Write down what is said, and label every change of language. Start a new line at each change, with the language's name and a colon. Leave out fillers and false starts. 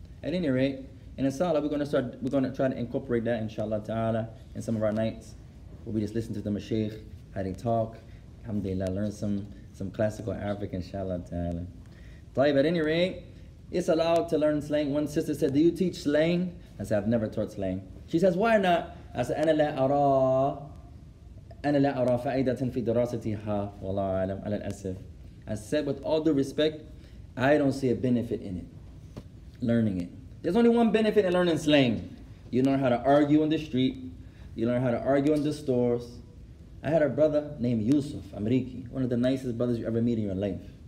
English: At any rate, in a salah, we're going to try to incorporate that, inshallah ta'ala, in some of our nights. We'll be just listening to the mashaykh, how they talk. Alhamdulillah, learn some classical Arabic, inshallah ta'ala. Taib, at any rate, it's allowed to learn slang. One sister said, do you teach slang? I said, I've never taught slang. She says, why not?
Arabic: I said, أنا لا أرى أنا لا أرى فائدة في دراستها والله أعلم على الأسف.
English: I said, with all due respect, I don't see a benefit in it, learning it. There's only one benefit in learning slang. You learn how to argue in the street. You learn how to argue in the stores. I had a brother named Yusuf Amriki, one of the nicest brothers you ever meet in your life.